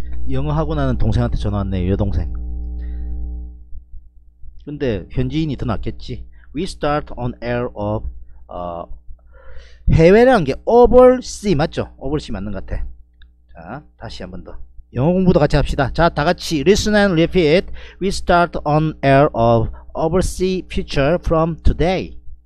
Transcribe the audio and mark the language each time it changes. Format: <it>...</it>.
<ko>영어하고 나는 동생한테 전화 왔네, 여동생. 근데 현지인이 더 낫겠지.</ko> <en>We start on air of</en> <ko>해외라는 게</ko> <en>overseas</en> <ko>맞죠? overseas 맞는 것 같아. 자, 다시 한번 더. 영어 공부도 같이 합시다. 자, 다 같이</ko> <en>listen and repeat. We start on air of overseas future from today.</en>